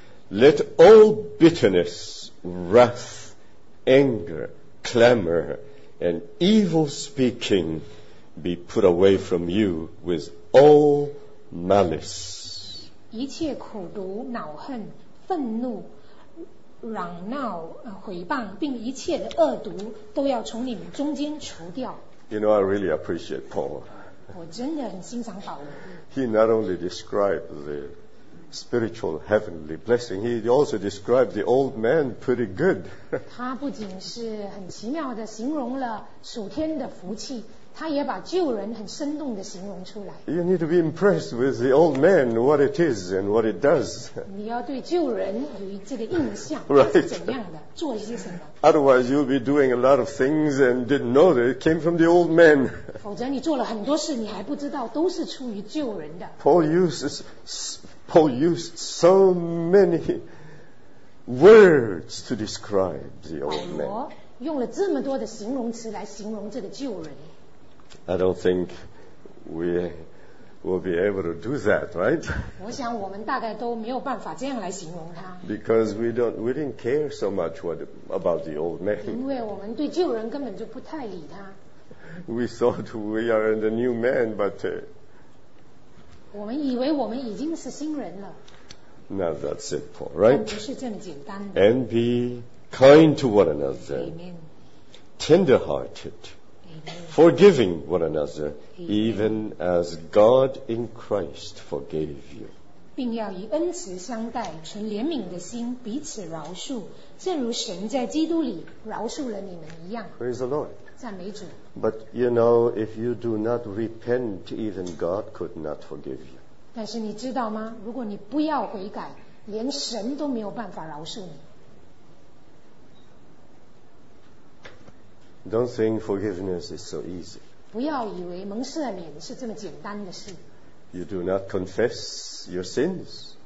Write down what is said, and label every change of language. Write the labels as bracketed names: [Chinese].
[English] Let all bitterness, wrath, anger, clamor, and evil speaking be put away from you with all malice. [Chinese] 一切苦毒、恼恨、愤怒、嚷闹、毁谤，并一切的恶毒，都要从你们中间除掉。 [English] You know, I really appreciate Paul. [Chinese] 我真的很欣赏保罗。 [English] He not only described the spiritual heavenly blessing, he also described the old man pretty good. [Chinese] 他不仅是很奇妙的形容了属天的福气。他也把旧人很生动地形容出来。 [English] You need to be impressed with the old man, what it is and what it does. [Chinese] 你要对旧人有这个印象，它是怎样的，做一些什么。 [English] Otherwise, you'll be doing a lot of things and didn't know that it came from the old man. [Chinese] 否则你做了很多事，你还不知道都是出于旧人的。 [English] Paul used so many words to describe the old man. [Chinese] 保罗用了这么多的形容词来形容这个旧人。 [English] I don't think we will be able to do that, right? [Chinese] 我想我们大概都没有办法这样来形容他。 [English] Because we didn't care so much about the old man. [Chinese] 因为我们对旧人根本就不太理他。 [English] We thought we are the new man, but [Chinese] 我们以为我们已经是新人了。 [English] Now that's it, Paul, right? [Chinese] 但不是这么简单的。 [English] And be kind to one another. Amen. Tender-hearted. Forgiving one another, even as God in Christ forgave you. [Chinese] 并要以恩慈相待，存怜悯的心，彼此饶恕，正如神在基督里饶恕了你们一样。 [English] Praise the Lord. [Chinese] 赞美主。 [English] But you know, if you do not repent, even God could not forgive you. [Chinese] 但是你知道吗？如果你不要悔改，连神都没有办法饶恕你。 [English] Don't think forgiveness is so easy. [Chinese] 不要以为蒙赦免是这么简单的事。 [English] You do not confess your sins.